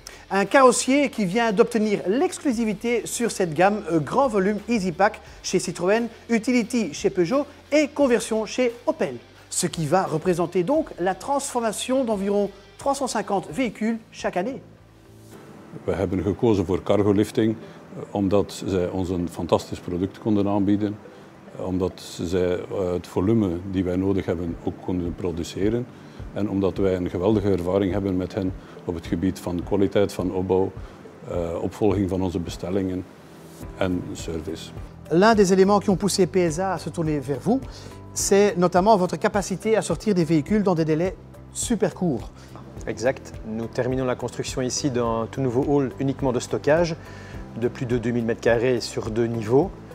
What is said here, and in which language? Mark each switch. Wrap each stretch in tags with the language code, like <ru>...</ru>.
<fr>Un carrossier qui vient d'obtenir l'exclusivité sur cette gamme grand volume EasyPack chez Citroën, Utility chez Peugeot et Conversion chez Opel. Ce qui va représenter donc la transformation d'environ 350 véhicules chaque année.</fr> <nl>We hebben gekozen voor Cargo Lifting omdat zij ons een fantastisch product konden aanbieden, omdat zij het volume die wij nodig hebben ook konden produceren en omdat wij een geweldige ervaring hebben met hen op het gebied van kwaliteit van opbouw, opvolging van onze bestellingen en service.</nl> <fr>L'un des éléments qui ont poussé PSA à se tourner vers vous, c'est notamment votre capacité à sortir des véhicules dans des délais super courts. Exact. Nous terminons la construction ici d'un tout nouveau hall uniquement de stockage de plus de 2000 m² sur deux niveaux.</fr>